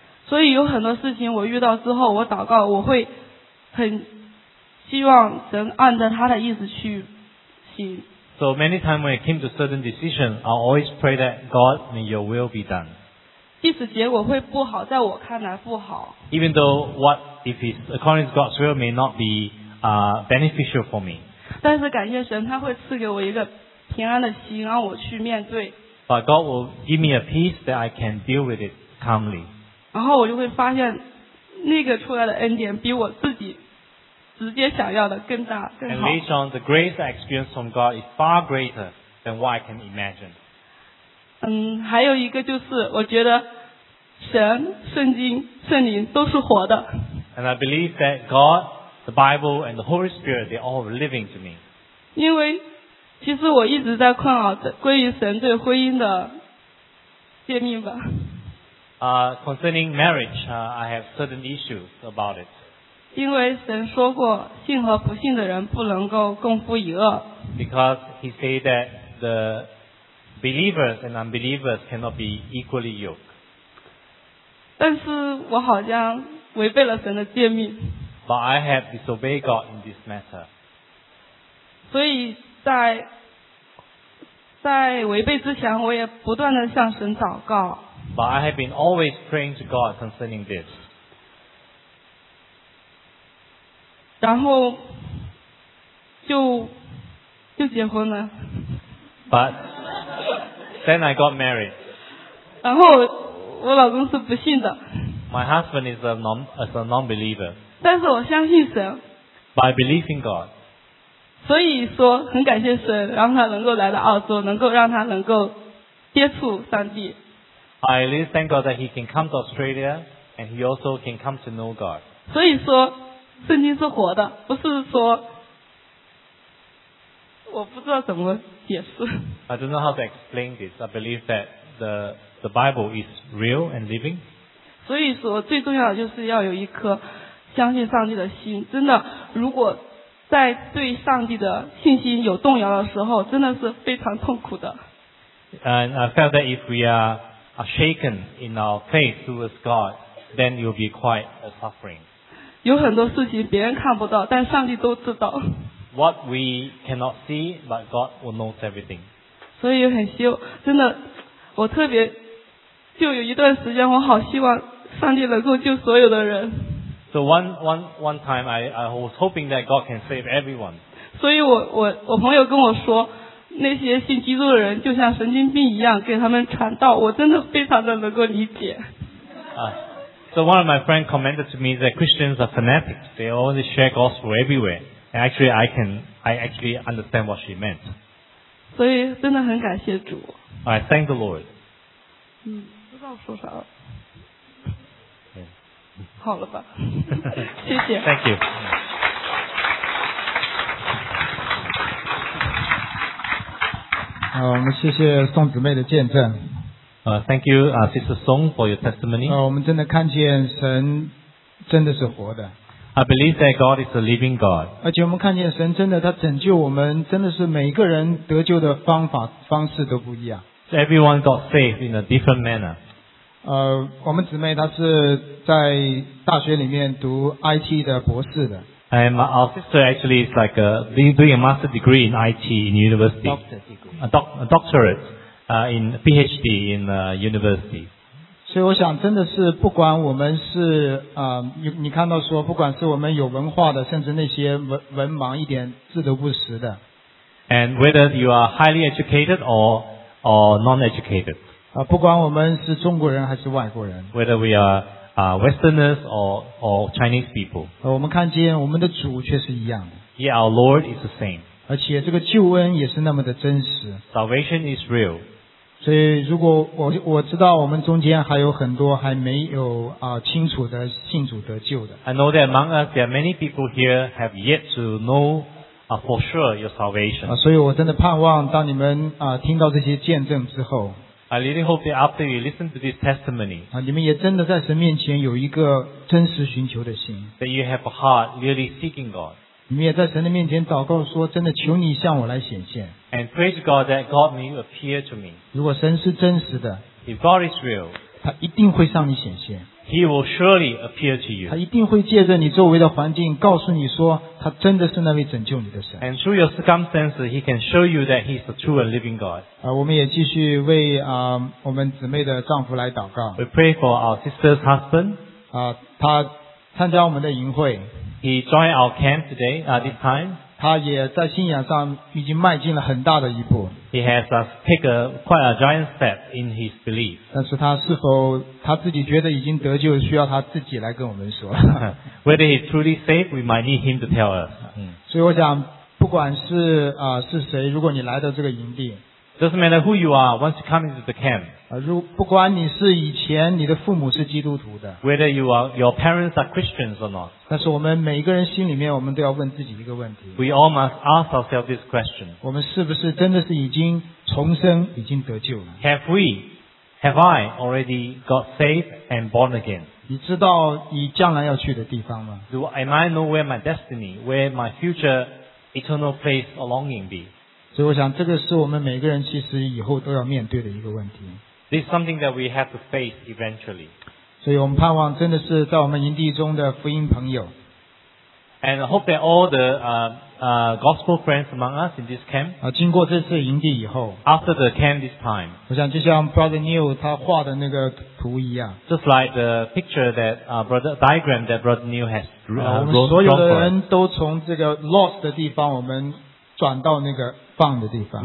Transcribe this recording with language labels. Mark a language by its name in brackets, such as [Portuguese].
[English] So there are a lot of things I meet after I pray, I hope that God will follow His will. So many times when I came to certain decisions, I always pray that God, may your will be done. [Chinese] 即使结果会不好，在我看来不好。 [English] Even though what if it's according to God's will may not be beneficial for me. [Chinese] 但是感谢神，他会赐给我一个平安的心，让我去面对。 [English] But God will give me a peace that I can deal with it calmly. [Chinese] 然后我就会发现那个出来的恩典比我自己直接想要的更大更好。 [English] And later on, the grace I experienced from God is far greater than what I can imagine. [Chinese] 嗯，还有一个就是我觉得神、圣经、圣灵都是活的。 [English] And I believe that God, the Bible, and the Holy Spirit, they all are living to me. [Chinese] 因为其实我一直在困扰关于神对婚姻的诫命吧。 [English] Concerning marriage, I have certain issues about it. [Chinese] 因为神说过，信和不信的人不能够共夫一轭。 [English] Because he said that the believers and unbelievers cannot be equally yoked. [Chinese] 但是我好像违背了神的诫命。 [English] But I have disobeyed God in this matter. [Chinese] 所以在违背之前，我也不断的向神祷告。 [English] But I have been always praying to God concerning this. [Chinese] 然后就结婚了。 [English] But then I got married. [Chinese] 然后我老公是不信的。 [English] My husband is a non-believer. [Chinese] 但是我相信神。 [English] But I believe in God. [Chinese] 所以说很感谢神，让他能够来到澳洲，能够让他能够接触上帝。 [English] I at least thank God that he can come to Australia and he also can come to know God. [Chinese] 所以说圣经是活的，不是说我不知道怎么解释。 [English] I don't know how to explain this. I believe that the Bible is real and living. [Chinese] 所以说最重要的就是要有一颗相信上帝的心，真的如果在对上帝的信心有动摇的时候，真的是非常痛苦的。 [English] And I felt that if we are shaken in our faith towards God, then you'll be quite a suffering. [Chinese] 有很多事情别人看不到，但上帝都知道。 [English] What we cannot see, but God will know everything. [Chinese] 所以很希望，真的，我特别，就有一段时间，我好希望上帝能够救所有的人。 [English] So one time, I was hoping that God can save everyone. [Chinese] 所以我朋友跟我说，那些信基督的人就像神经病一样给他们传道，我真的非常的能够理解。 [English] So one of my friends commented to me that Christians are fanatics. They only share gospel everywhere. And actually, I actually understand what she meant. [Chinese] 所以真的很感谢主。 [English] I thank the Lord. [Chinese] 不知道说啥了。好了吧。谢谢。 [English] Thank you. [Chinese] 我们谢谢宋姊妹的见证。 [English] Thank you, Sister Song, for your testimony. [Chinese] 我们真的看见神真的是活的。 [English] I believe that God is a living God. [Chinese] 而且我们看见神真的，他拯救我们，真的是每个人得救的方法方式都不一样。 [English] So、everyone got saved in a different manner. [Chinese] 我们姊妹她是在大学里面读 IT 的博士的。 [English] And our sister actually is like doing a master's degree in IT in university. A doctorate in PhD in university. [Chinese] 所以我想真的是不管我们是你看到说不管是我们有文化的甚至那些文盲一点字都不识的。 [English] And whether you are highly educated or non-educated. [Chinese] 不管我们是中国人还是外国人。 [English] Whether we areWesterners or Chinese people. [Chinese] 我们看见我们的主却是一样的。 [English] Yeah, our Lord is the same. [Chinese] 而且这个救恩也是那么的真实。 [English] Salvation is real. [Chinese] 所以如果我知道我们中间还有很多还没有清楚的信主得救的。 [English] I know that among us there are many people here have yet to know for sure your salvation. [Chinese] 所以我真的盼望当你们听到这些见证之后， [English] I really hope that after you listen to this testimony, [Chinese] 你们也真的在神面前有一个真实寻求的心。 [English] That you have a heart really seeking God. [Chinese] 你们也在神的面前祷告说，真的求你向我来显现。 [English] And praise God that God may appear to me. [Chinese] 如果神是真实的， [English] If God is real, [Chinese] 他一定会向你显现。 [English] He will surely appear to you. [Chinese] 他一定会借着你周围的环境告诉你说，他真的是那位拯救你的神。 [English] And through your circumstances, he can show you that he's the true and living God. [Chinese] 我们也继续为我们姊妹的丈夫来祷告。 [English] We pray for our sister's husband. [Chinese] 他参加我们的营会。 [English] He joined our camp today, this time. [Chinese] 他也在信仰上已经迈进了很大的一步。 [English] He has taken quite a giant step in his belief. [Chinese] 但是他是否他自己觉得已经得救，需要他自己来跟我们说。 [English] Whether he truly saved, we might need him to tell us. [Chinese] 所以我想，不管是是谁，如果你来到这个营地 [English] ，Doesn't matter who you are. Once you come into the camp, [Chinese] 如不管你是以前你的父母是基督徒的 [English] ，Whether you are your parents are Christians or not. [Chinese] 但是我们每一个人心里面，我们都要问自己一个问题。 [English] We all must ask ourselves this question. [Chinese] 我们是不是真的是已经重生，已经得救了 [English] ？Have I already got saved and born again? [Chinese] 你知道你将来要去的地方吗 [English] ？Am I know where my destiny, where my future? Eternal place or longing be. [Chinese] 所以我想，这个是我们每个人其实以后都要面对的一个问题。 [English] This is something that we have to face eventually. [Chinese] 所以我们盼望真的是在我们营地中的福音朋友。 [English] And I hope that all the gospel friends among us in this camp. [Chinese] 经过这次营地以后 [English] ，After the camp this time. [Chinese] 我想就像 Brother Neil 他画的那个图一样 [English] ，Just like the picture that diagram that Brother Neil has. [Chinese] 我们所有的人都从这个 lost 的地方，我们转到那个 found 的地方。